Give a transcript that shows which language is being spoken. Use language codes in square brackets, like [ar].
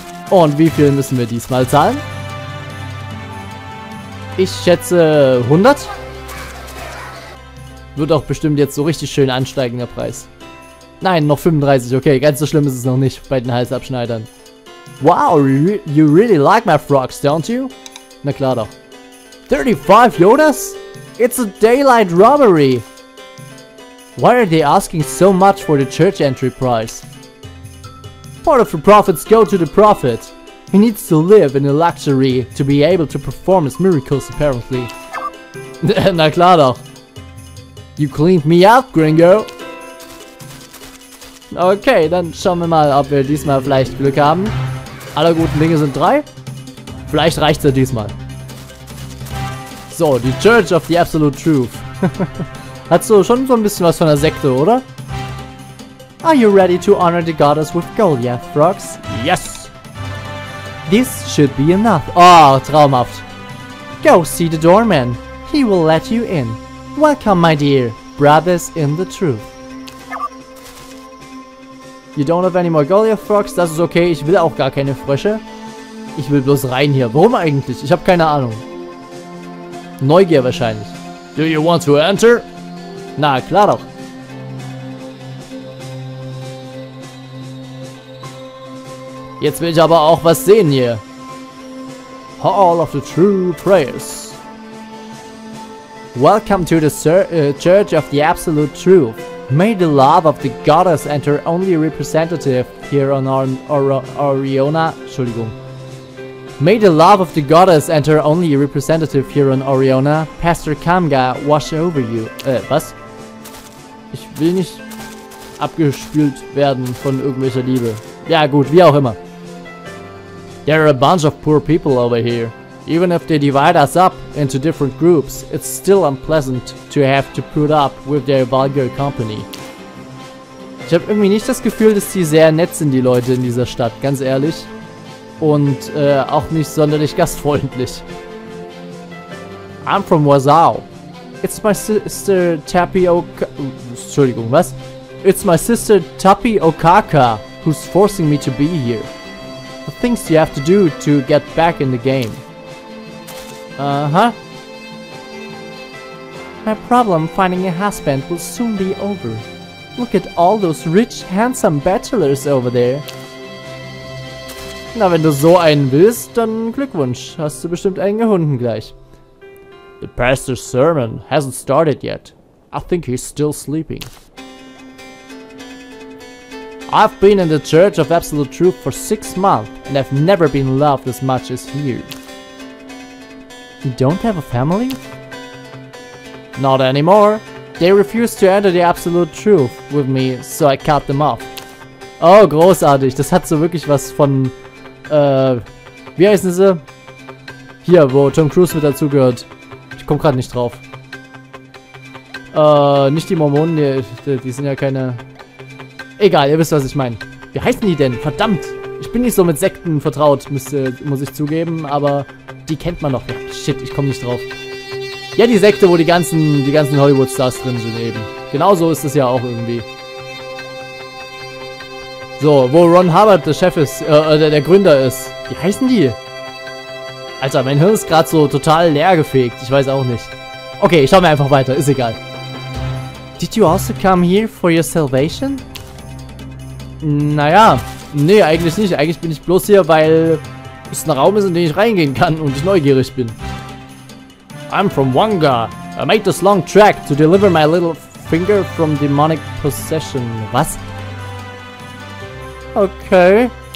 [de] Und wie viel müssen wir diesmal zahlen? Ich schätze 100. Wird auch bestimmt jetzt so richtig schön ansteigen, der Preis. Nein, noch 35, okay, ganz so schlimm ist es noch nicht bei den Halsabschneidern. [en] Wow, you really like my frogs, don't you? [de] Na klar doch. [en] 35 Jotas? It's a daylight robbery. Why are they asking so much for the church entry price? Part of the profits go to the prophet. He needs to live in a luxury to be able to perform his miracles, apparently. [de] Na klar doch. [en] You cleaned me out, gringo. [de] Okay, dann schauen wir mal, ob wir diesmal vielleicht Glück haben. Alle guten Dinge sind 3. Vielleicht reicht's ja diesmal. So, die Church of the Absolute Truth. Hat so schon so ein bisschen was von einer Sekte, oder? [en] Are you ready to honor the goddess with gold, yeah, Frogs? Yes! This should be enough. [de] Oh, traumhaft. [en] Go see the doorman. He will let you in. Welcome, my dear. Brothers in the truth. You don't have any more Goliath Frogs, [de] das ist okay, ich will auch gar keine Frösche. Ich will bloß rein hier. Warum eigentlich? Ich habe keine Ahnung. Neugier wahrscheinlich. [en] Do you want to enter? [de] Na, klar doch. Jetzt will ich aber auch was sehen hier. [en] Hall of the True Prayers. Welcome to the Church of the Absolute Truth. May the love of the goddess and her only representative here on Auriona. [de] Entschuldigung. [en] May the love of the goddess and her only representative here on Auriona, Pastor Kamga, wash over you. [de] Was? Ich will nicht abgespült werden von irgendwelcher Liebe. Ja, gut, wie auch immer. [en] There are a bunch of poor people over here. Even if they divide us up into different groups, it's still unpleasant to have to put up with their vulgar company. [de] Ich habe irgendwie nicht das Gefühl, dass die sehr nett sind, die Leute in dieser Stadt, ganz ehrlich. Und auch nicht sonderlich gastfreundlich. [en] I'm from Wazao. It's my sister Tapioca... [de] Entschuldigung, was? [en] It's my sister Tapiokaka who's forcing me to be here. The things you have to do to get back in the game. My problem finding a husband will soon be over. Look at all those rich, handsome bachelors over there. [de] Na, wenn du so einen willst, dann Glückwunsch. Hast du bestimmt einen gefunden gleich. [en] The pastor's sermon hasn't started yet. I think he's still sleeping. I've been in the Church of Absolute Truth for 6 months and I've never been loved as much as here. You don't have a family? Not anymore. They refused to enter the absolute truth with me, so I cut them off. [de] Oh, großartig. Das hat so wirklich was von, wie heißen sie? Hier, wo Tom Cruise mit dazugehört. Ich komme gerade nicht drauf. Nicht die Mormonen, die sind ja keine... Egal, ihr wisst, was ich meine. Wie heißen die denn? Verdammt! Ich bin nicht so mit Sekten vertraut, muss ich zugeben, aber... Die kennt man noch. Ja, shit, ich komme nicht drauf. Ja, die Sekte, wo die ganzen Hollywood-Stars drin sind eben. Genauso ist es ja auch irgendwie. So, wo Ron Hubbard der Chef ist, der Gründer ist. Wie heißen die? Alter, mein Hirn ist gerade so total leer gefegt. Ich weiß auch nicht. Okay, ich schau mir einfach weiter. Ist egal. [en] Did you also come here for your salvation? [de] Naja, nee, eigentlich nicht. Eigentlich bin ich bloß hier, weil... ist ein Raum ist, in den ich reingehen kann und ich neugierig bin. [en] I'm from Wanga. I made this long trek to deliver my little finger from demonic possession. [de] Was? Okay.